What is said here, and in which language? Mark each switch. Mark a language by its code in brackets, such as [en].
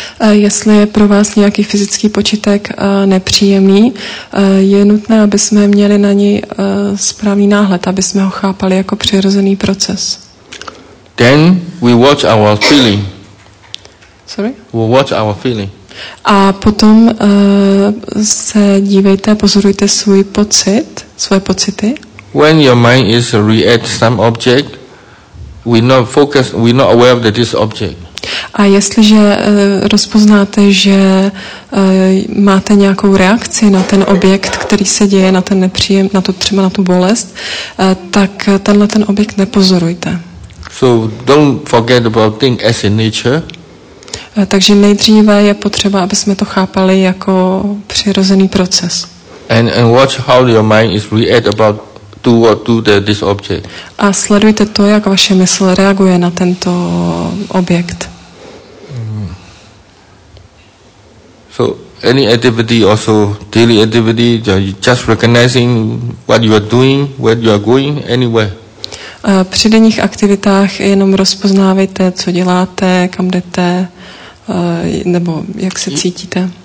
[cs] Jestli je pro vás nějaký fyzický počítek nepříjemný, je nutné, aby jsme měli na něj správný náhled, aby jsme ho chápali jako přirozený proces. [en] Then we watch our feeling. Sorry? We watch our feeling. [cs] A potom se dívejte, pozorujte svůj pocit, svoje pocity. [en] When your mind is react some object, we not focus, we not aware of this object. [cs] A jestliže rozpoznáte, že máte nějakou reakci na ten objekt, který se děje, na ten nepříjem, na to třeba na tu bolest, tak tenhle ten objekt nepozorujte. [en] So don't forget about thing as in nature. [cs] Takže nejdříve je potřeba, aby jsme to chápali jako přirozený proces. [en] And watch how your mind is react about to this object. [cs] A sledujte to, jak vaše mysl reaguje na tento objekt. [en] So any activity, also daily activity, just recognizing what you are doing, where you are going, anywhere. [cs] Při denních aktivitách jenom rozpoznávejte, co děláte, kam jdete, nebo jak se cítíte.